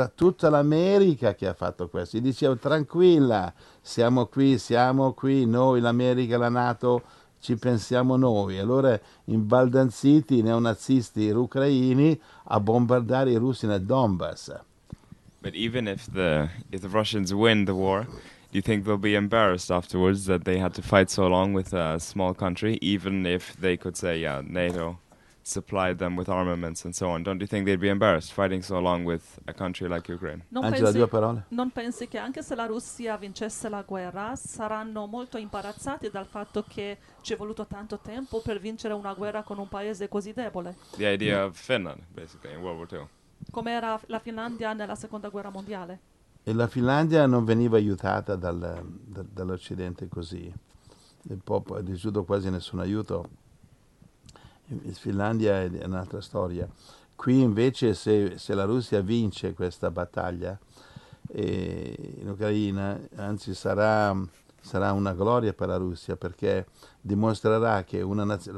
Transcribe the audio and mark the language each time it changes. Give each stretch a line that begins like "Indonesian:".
Italian: Era tutta l'America che ha fatto questo. Gli dicevo: tranquilla, siamo qui, noi, l'America, la NATO, ci pensiamo noi. Allora imbaldanziti i neonazisti ucraini a bombardare i russi nel Donbass.
English: But even if the Russians win the war, do you think they'll be embarrassed afterwards that they had to fight so long with a small country, even if they could say, yeah, NATO supplied them with armaments and so on? Don't you think they'd be embarrassed fighting so long with a country like Ukraine?
Italian: Non pensi che anche se la Russia vincesse la guerra, saranno molto imbarazzati dal fatto che ci è voluto tanto tempo per vincere una guerra con un paese così debole?
English: The idea of Finland, basically, in World War II.
Italian: Come era la Finlandia nella Seconda Guerra Mondiale? E la Finlandia non veniva aiutata dall'Occidente così. Il popolo ha ricevuto quasi nessun aiuto. In Finlandia è un'altra storia. Qui invece se la Russia vince questa battaglia in Ucraina, anzi sarà una gloria per la Russia, perché dimostrerà che una nazione...